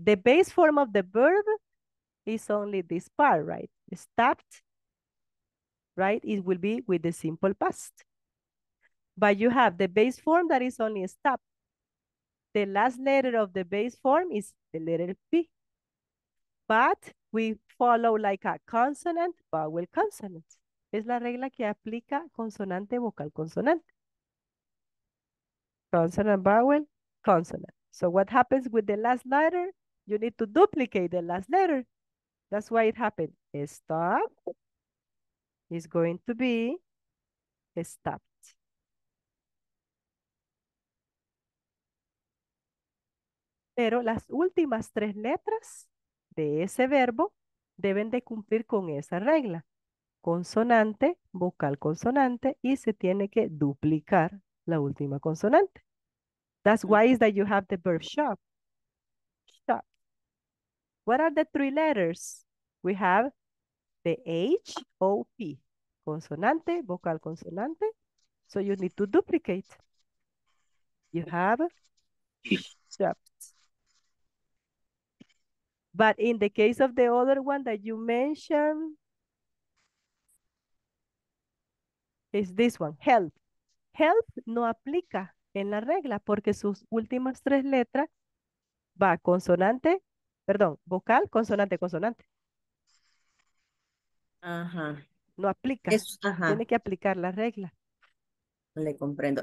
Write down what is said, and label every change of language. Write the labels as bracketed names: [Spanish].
[English] The base form of the verb is only this part, right? Stopped, right? It will be with the simple past. But you have the base form that is only stop. The last letter of the base form is the letter P. But we follow like a consonant, vowel consonant. [Spanish] Es la regla que aplica consonante, vocal, consonante. [English] Consonant, vowel, consonant. So what happens with the last letter? You need to duplicate the last letter. That's why it happened. Stop is going to be stopped. [Spanish] Pero las últimas tres letras de ese verbo deben de cumplir con esa regla. Consonante, vocal consonante, y se tiene que duplicar la última consonante. [English] That's why is that you have the verb shop. Shop. What are the three letters? We have the H, O, P. [Spanish] Consonante, vocal consonante. [English] So you need to duplicate. You have shop. But in the case of the other one that you mentioned, is this one, help. [Spanish] Help no aplica en la regla porque sus últimas tres letras va consonante, perdón, vocal, consonante, consonante. Ajá. No aplica. Es, ajá. Tiene que aplicar la regla. Le comprendo.